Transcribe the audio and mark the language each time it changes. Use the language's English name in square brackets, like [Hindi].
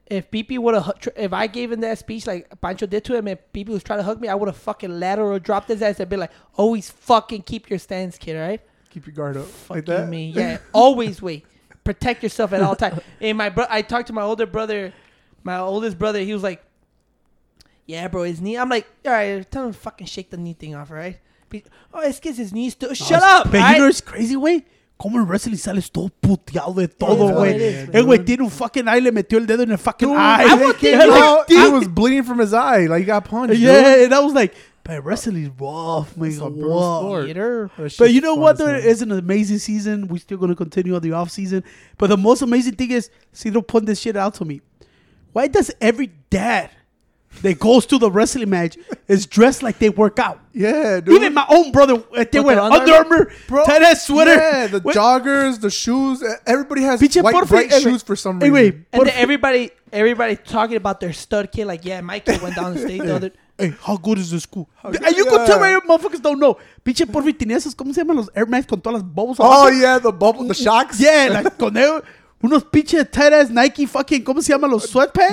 [English] If BP would have, if I gave him that speech like Pancho did to him and BP was trying to hug me, I would have fucking lateral dropped his ass and been like, always fucking keep your stance, kid, right? Keep your guard up. Fuck like that? Me. Yeah, always wait. Protect yourself at all times. And my I talked to my older brother, my oldest brother. He was like, yeah, bro, his knee. I'm like, all right, tell him to fucking shake the knee thing off, right? It's because his knee's still. Shut up, man. You know it's crazy, way. [Spanish] Como el wrestling sales todo puteado de todo, güey. El güey tiene un fucking eye, le metió el dedo en el fucking [English] dude, eye. I was bleeding from his eye, like he got punched. Yeah, dude. And I was like, But wrestling's rough, man. It's a brutal sport. But you know what, though? It is an amazing season. We're still going to continue on the off season. But the most amazing thing is, Cedro put this shit out to me. Why does every dad that goes to the wrestling match is dressed like they work out? Yeah, dude. Even my own brother, they wear Under Armour, tight ass sweater. Yeah, the joggers, the shoes. Everybody has white, bright shoes for some reason. Anyway, and then everybody talking about their stud kid. Like, yeah, my kid went down the stage the other. Hey, how good is the school? And you can tell my motherfuckers don't know. [Spanish] Pinche porfi tenía esos, ¿cómo se llaman los Air Max con todas las bubbles? [English] Oh, yeah, the bubbles, the shocks. [Spanish] Yeah, like con el, unos pinche [English] tight ass [Spanish] Nike fucking, ¿cómo se llaman los sweatpants?